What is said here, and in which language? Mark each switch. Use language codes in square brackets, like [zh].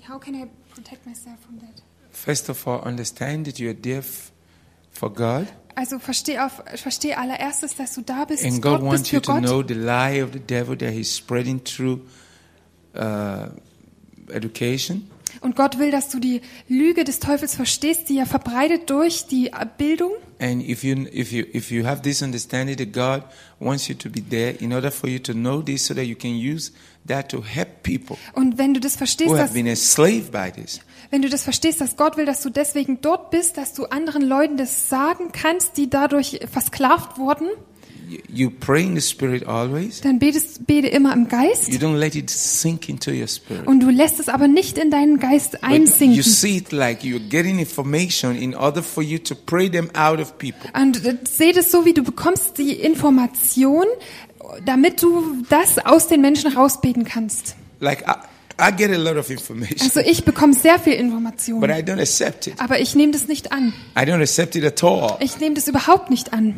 [en] How can I protect myself from that? First of all, understand that you are there for God. [de] Also verstehe allererstes, dass du da bist. [en] And God wants you to know the lie of the devil that he's spreading through education. [de] Und Gott will, dass du die Lüge des Teufels verstehst, die er verbreitet durch die Bildung. [en] And if you have this understanding that God wants you to be there in order for you to know this so that you can use that to help people. [de] Und wenn du das verstehst, [en] who have been a slave by this. [de] Wenn du das verstehst, dass Gott will, dass du deswegen dort bist, dass du anderen Leuten das sagen kannst, die dadurch versklavt wurden. [en] You pray in the spirit always. [de] Dann bete immer im Geist. [en] You don't let it sink into your spirit. [de] Und du lässt es aber nicht in deinen Geist einsinken. [en] You see it like you're getting information in order for you to pray them out of people. [de] Und seht es so, wie du bekommst die Information, damit du das aus den Menschen rausbeten kannst. [en] Like I get a lot of information. [de] Also ich bekomme sehr viel Information. [en] But I don't accept it. [de] Aber ich nehme das nicht an. [en] I don't accept it at all. [de] Ich nehme das überhaupt nicht an.